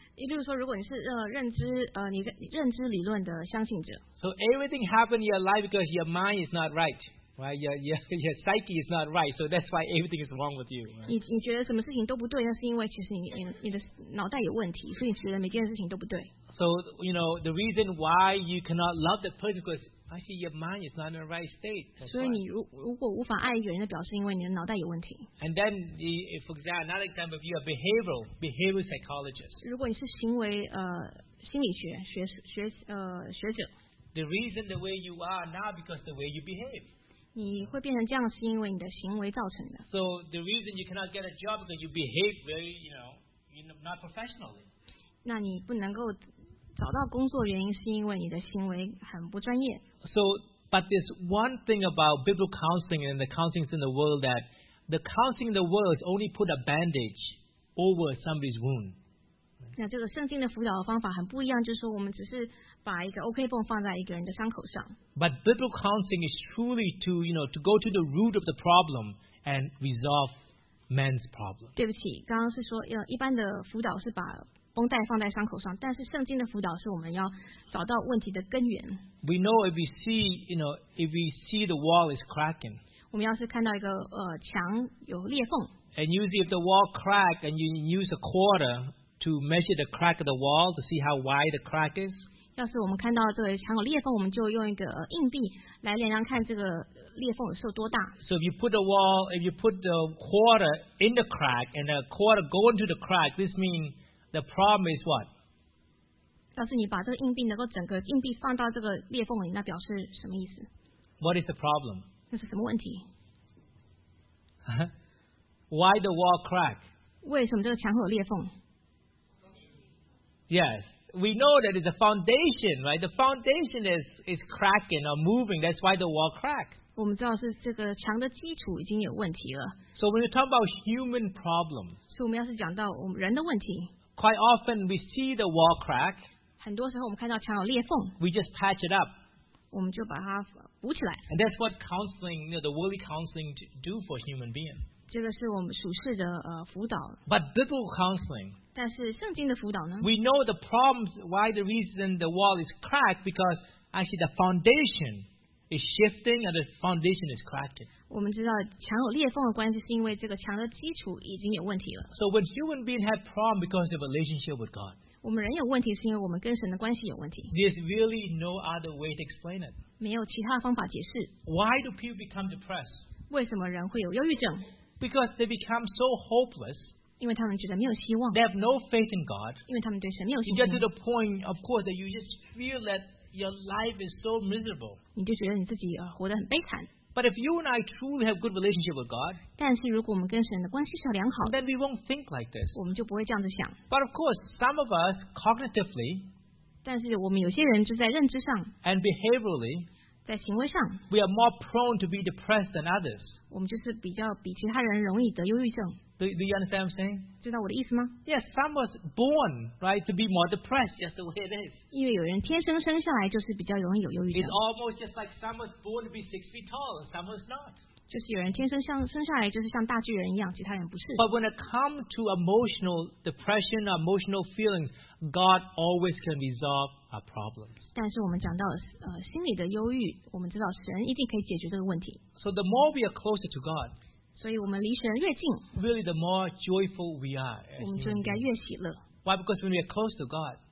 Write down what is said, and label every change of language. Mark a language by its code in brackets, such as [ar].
[zh] 也就是说，如果你是你认知理论的相信者。 [en] So everything happened in your life because your mind is not right. Right, your psyche is not right, so that's why everything is wrong with you. Right? [zh] 你觉得什么事情都不对，那是因为其实你的脑袋有问题，所以你觉得每件事情都不对。 [en] So you know the reason why you cannot love that person because actually your mind is not in the right state. [zh] 所以你如果无法爱一个人，表示因为你的脑袋有问题。 [en] And then, for example, another example, if you are behavioral psychologist. [zh] 如果你是行为心理学学者。 [en] The reason the way you are now because the way you behave. [zh] 你会变成这样是因为你的行为造成的。 [en] So the reason you cannot get a job is that you behave very, you know, not professionally. [zh] 那你不能够找到工作原因是因为你的行为很不专业。 [en] So, but there's one thing about biblical counseling and the counseling in the world that the counseling in the world is only put a bandage over somebody's wound. [zh] 那这个圣经的辅导的方法很不一样，就是说我们只是。把一个 OK 绷放在一个人的伤口上。 [en] But biblical counseling is truly to, you know, to go to the root of the problem and resolve man's problem. [zh] 对不起，刚刚是说，一般的辅导是把绷带放在伤口上，但是圣经的辅导是我们要找到问题的根源。 [en] We know if we see, you know, if we see the wall is cracking. [zh] 我们要是看到一个墙有裂缝。 [en] And usually if the wall cracked and you use a quarter to measure the crack of the wall to see how wide the crack is. [zh] 要是我们看到这个墙有裂缝，我们就用一个硬币来量量看这个裂缝有多大。 [en] So if you put the wall, if you put the quarter in the crack and the quarter go into the crack, this means the problem is what? [zh] 要是你把这个硬币能够整个硬币放到这个裂缝里，那表示什么意思？ [en] What is the problem? [zh] 那是什么问题？ [en] Why the wall crack? [zh] 为什么这个墙有裂缝？ [en] Yes. We know that it's a foundation, right? The foundation is cracking or moving. That's why the wall cracked. [zh] 我们知道是这个墙的基础已经有问题了。 [en] So when you talk about human problems, [zh] 所以我们要是讲到我们人的问题。 [en] Quite often we see the wall crack. [zh] 很多时候我们看到墙有裂缝。 [en] We just patch it up. [zh] 我们就把它补起来。 [en] And that's what counseling, you know, the worldly counseling do for human beings. [zh] 这个是我们属世的辅导。 [en] But biblical counseling. [zh] 但是圣经的辅导呢? [en] We know the problems, why the reason the wall is cracked, because actually the foundation is shifting and the foundation is cracked. [zh] 我们知道墙有裂缝的关系是因为这个墙的基础已经有问题了。 [en] So when human beings have problems because of relationship with God, [zh] 我们人有问题是因为我们跟神的关系有问题。 [en] There's really no other way to explain it. [zh] 没有其他方法解释。 [en] Why do people become depressed? [zh] 为什么人会有忧郁症? [en] Because they become so hopeless. [zh] 因为他们觉得没有希望。 [en] They have no faith in God. [zh] 因为他们对神没有信心。 [en] You get to the point, of course, that you just feel that your life is so miserable. [zh] 你就觉得你自己活得很悲惨。 [en] But if you and I truly have good relationship with God, [zh] 但是如果我们跟神的关系是良好的 [en] then we won't think like this. [zh] 我们就不会这样子想。 [en] But of course, some of us cognitively, [zh] 但是我们有些人就在认知上 [en] and behaviorally, [zh] 在行为上 [en] we are more prone to be depressed than others. [zh] 我们就是比较比其他人容易得忧郁症。 [en] Do you understand what I'm saying? [zh] 知道我的意思吗? [en] Yes, some was born, right, to be more depressed, just the way it is. [zh] 因为有人天生生下来就是比较容易有忧郁症。 [en] It's almost just like some was born to be 6 feet tall, some was not. [zh] 就是有人天生生下来就是像大巨人一样,其他人不是。 [en] But when it comes to emotional depression, emotional feelings, God always can resolve our problems. [zh] 但是我们讲到心理的忧郁,我们知道神一定可以解决这个问题。 [en] So the more we are closer to God, [zh] 所以我们离神越近 [en] really the more joyful we are [zh] 我们就应该越喜乐 [en] why because when we are close to God